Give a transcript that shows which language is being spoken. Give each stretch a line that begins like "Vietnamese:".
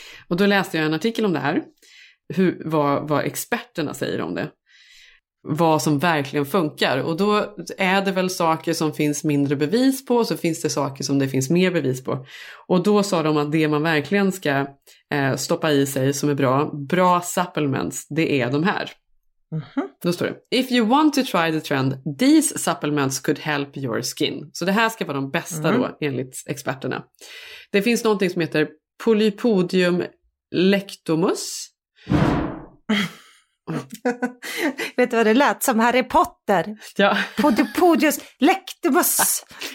Swedish: Och då läste jag en artikel om det här, vad experterna säger om det. Vad som verkligen funkar. Och då är det väl saker som finns mindre bevis på, och så finns det saker som det finns mer bevis på. Och då sa de att det man verkligen ska stoppa i sig som är bra, bra supplements, det är de här. Mm-hmm. Då står det:
English: if you want to try the trend, these supplements could help your skin.
Swedish: Så det här ska vara de bästa då, enligt experterna. Det finns någonting som heter Polypodium lectomus. Vet du vad det lät? Som Harry Potter. Ja. Podipodius lectumus.